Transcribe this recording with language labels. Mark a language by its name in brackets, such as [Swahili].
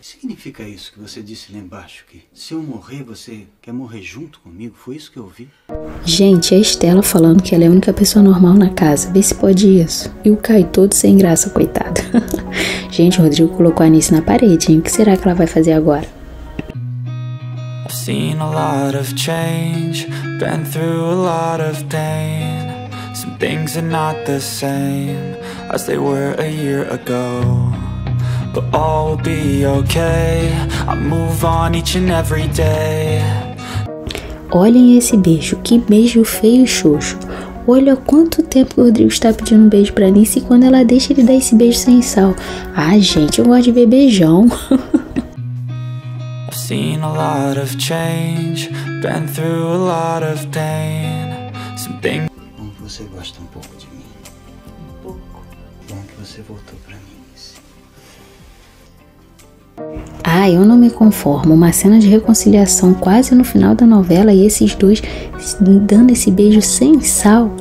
[Portuguese] Significa isso que você disse lá embaixo, que se eu morrer, você quer morrer junto comigo? Foi isso que eu ouvi? Gente, a Estela falando que ela é a única pessoa normal na casa. Vê se pode isso. E o Caio todo sem graça, coitado. Gente, o Rodrigo colocou a Nice na parede, hein? O que será que ela vai fazer agora? [English] I've seen a lot of change, been through a lot of pain. Some things are not the same as they were a year ago. But all will be okay. I move on each and every day. [Portuguese] Olhem esse beijo, que beijo feio e xoxo. Olha quanto tempo que o Rodrigo está pedindo um beijo pra Nice e quando ela deixa ele dar esse beijo sem sal. Ah, gente, eu gosto de ver beijão. [English] I've seen a lot of change, been through a lot of pain. Some things. [Portuguese] Você gosta um pouco de mim? Um pouco. Bom que você voltou pra mim. Ah, eu não me conformo. Uma cena de reconciliação quase no final da novela e esses dois dando esse beijo sem sal.